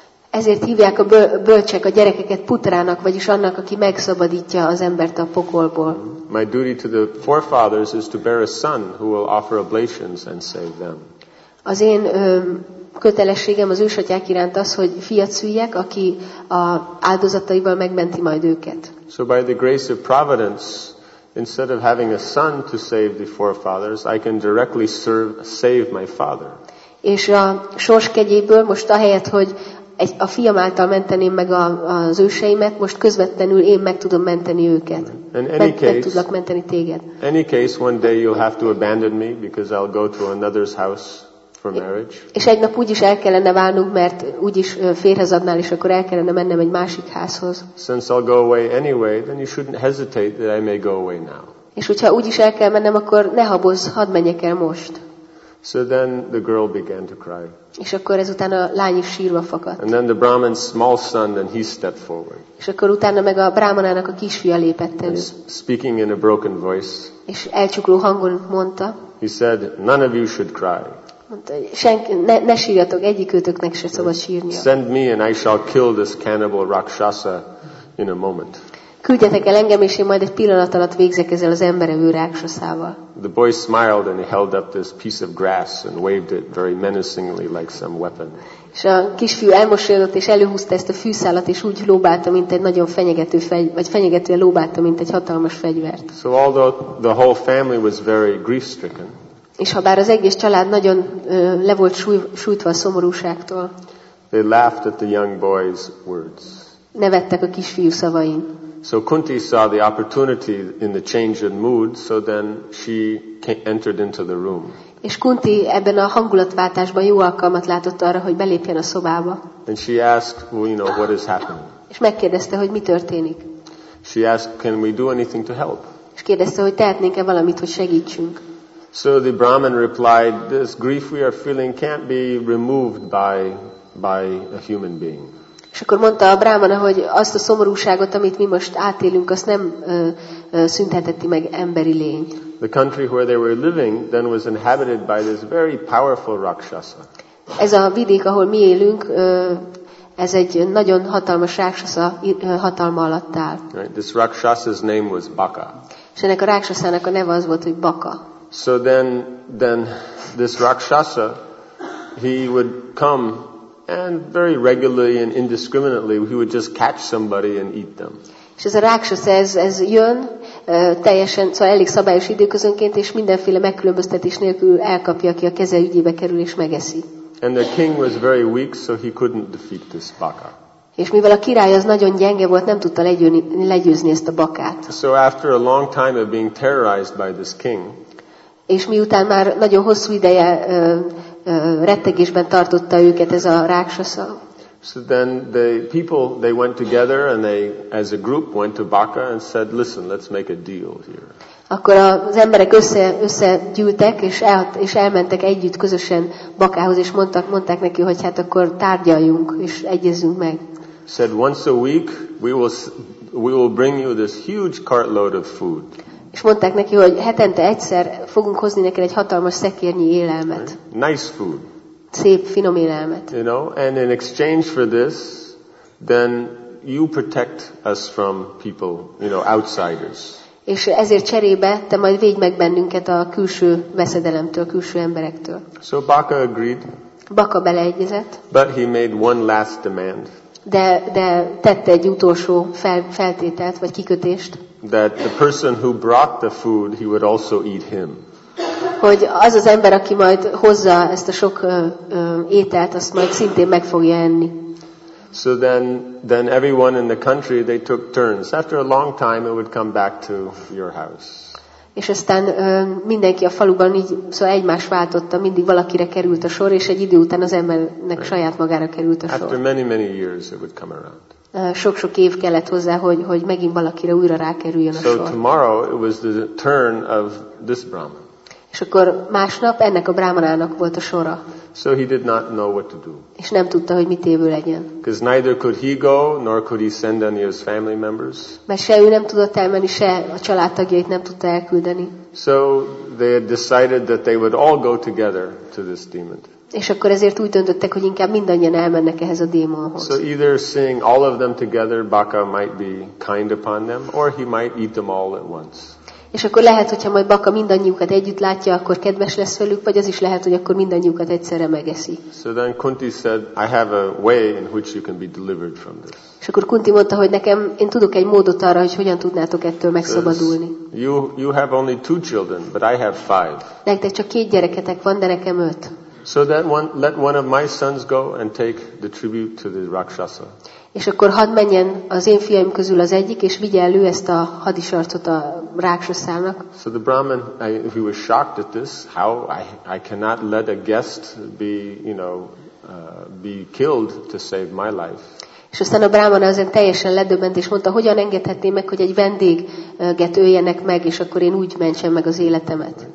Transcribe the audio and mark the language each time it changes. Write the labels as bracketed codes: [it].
[hu] Ezért hívják a bölcsek a gyerekeket putrának, vagyis annak, aki megszabadítja az embert a pokolból. [en] My duty to the forefathers is to bear a son who will offer oblations and save them. [hu] Az én kötelességem az ősatyák iránt az, hogy fiat szüljek, aki a áldozataival megmenti majd őket. [en] So by the grace of providence, instead of having a son to save the forefathers, I can directly serve, save my father. [hu] És a sors kegyéből most ahelyett, hogy egy, a fiam által menteném meg az őseimet, most közvetlenül én meg tudom menteni őket. Meg tudlak menteni téged. [en] Any case, one day you'll have to abandon me because I'll go to another's house for marriage. [hu] És egy nap úgyis el kellene válnunk, mert úgyis férhez adnál, és akkor el kellene mennem egy másik házhoz. [en] Since I'll go away anyway, then you shouldn't hesitate that I may go away now. [hu] És hogyha úgyis el kell mennem, akkor ne habozz, hadd menjek el most. [en] So then the girl began to cry. [hu] És akkor ezután a lány is sírva fakadt. [en] And then the Brahman's small son, then he stepped forward. [hu] És akkor utána meg a brahmanának a kisfia lépett elő. [en] Speaking in a broken voice. [hu] És elcsukló hangon mondta. [en] He said, "None of you should cry." [hu] Mondta, senki, ne sírjatok, egyikőtöknek se szabad sírnia. [en] Send me and I shall kill this cannibal rakshasa in a moment. [hu] Küldjetek el engem, és én majd egy pillanat alatt végzek ezzel az emberevő rákszaszával. [en] The boy smiled and he held up this piece of grass and waved it very menacingly like some weapon. [hu] És a kisfiú elmosolyodott és előhúzta ezt a fűszálat és úgy lóbálta, mint egy nagyon fenyegető fenyegetően lóbálta, mint egy hatalmas fegyvert. [en] So although the whole family was very grief-stricken. [hu] És habár az egész család nagyon le volt sújtva a szomorúságtól. [en] They laughed at the young boy's words. [hu] Nevettek a kisfiú szavain. [en] So Kunti saw the opportunity in the change of mood, so then she entered into the room. [hu] És Kunti ebben a hangulatváltásban jó alkalmat látott arra, hogy belépjen a szobába. [en] And she asked, well, you know, what is happening? [hu] És megkérdezte, hogy mi történik. [en] She asked, can we do anything to help? [hu] És kérdezte, hogy tehetnénk-e valamit, hogy segítsünk. [en] So the Brahman replied, this grief we are feeling can't be removed by a human being. [hu] És akkor mondta a brámana, hogy azt a szomorúságot, amit mi most átélünk, azt nem szüntetheti meg emberi lény. [en] The country where they were living then was inhabited by this very powerful rakshasa. [hu] Ez a vidék, ahol mi élünk, ez egy nagyon hatalmas rakshasa hatalma alatt áll. [en] Right. This rakshasa's name was Baka. [hu] És ennek a rakshasának a neve az volt, hogy Baka. [en] So then this rakshasa, he would come and very regularly and indiscriminately he would just catch somebody and eat them. [hu] És ez a rákszasza, ez jön teljesen, szóval elég szabályos időközönként, és mindenféle megkülönböztetés nélkül elkapja, aki a keze ügyébe kerül és megeszi. [en] And the king was very weak, so he couldn't defeat this baka. [hu] És mivel a király az nagyon gyenge volt, nem tudta legyőzni ezt a bakát. [en] So after a long time of being terrorized by this king, [hu] és miután már nagyon hosszú ideje rettegésben tartotta őket ez a rákszasza. [en] So then the people, they went together and they, as a group, went to Baka and said, listen, let's make a deal here. [hu] Akkor az emberek összegyűltek, és elmentek együtt közösen Bakához, és mondták neki, hogy hát akkor tárgyaljunk, és egyezzünk meg. [en] Said, once a week, we will bring you this huge cartload of food. [hu] És mondták neki, hogy hetente egyszer fogunk hozni neked egy hatalmas szekérnyi élelmet. [en] Nice food. [hu] Szép, finom élelmet. [en] You know, and in exchange for this, then you protect us from people, you know, outsiders. [hu] És ezért cserébe te majd védj meg bennünket a külső veszedelemtől, külső emberektől. [en] So Baka agreed. [hu] Baka beleegyezett. [en] But he made one last demand. [hu] De tette egy utolsó feltételt, vagy kikötést. [en] That the person who brought the food, he would also eat him. [hu] Hogy az az ember, aki majd hozza ezt a sok ételt, azt majd szintén meg fogja enni. [en] So then everyone in the country, they took turns. After a long time, it would come back to your house. [hu] És aztán mindenki a faluban így, szóval egymás váltotta, mindig valakire került a sor, és egy idő után az embernek saját magára került a sor. [en] After many, many years, it would come around. [hu] Sok-sok év kellett hozzá, hogy megint valakire újra rákerüljön a sor. [en] So tomorrow it was the turn of this Brahman. [hu] És akkor másnap ennek a brahmanának volt a sora. [en] So he did not know what to do. [hu] És nem tudta, hogy mit évő legyen. [en] Because neither could he go, nor could he send any of his family members. [hu] Mert se ő nem tudott elmenni, se a családtagjait nem tudta elküldeni. [en] So they had decided that they would all go together to this demon. [hu] És akkor ezért úgy döntöttek, hogy inkább mindannyian elmennek ehhez a démonhoz. [en] So either seeing all of them together, Baka might be kind upon them, or he might eat them all at once. [hu] És akkor lehet, hogyha majd Baka mindannyiukat együtt látja, akkor kedves lesz velük, vagy az is lehet, hogy akkor mindannyiukat egyszerre megeszi. [en] So then Kunti said, I have a way in which you can be delivered from this. [hu] És akkor Kunti mondta, hogy nekem, én tudok egy módot arra, hogy hogyan tudnátok ettől megszabadulni. [en] You have only two children, but I have five. [hu] Nektek csak két gyereketek van, de nekem öt. [en] So that one, let one of my sons go and take the tribute to the Rakshasa. [hu] És akkor hadd menjen az én fiaim közül az egyik, és vigye elő ezt a hadisarcot a Rakshasának. [en] So the Brahmin, he was shocked at this, how I cannot let a guest be, you know, be killed to save my life. [hu] És aztán a Brahmana azért teljesen ledöbbent, és mondta, hogyan engedhetné meg, hogy egy vendéget öljenek meg, és akkor én úgy mentsem meg az életemet.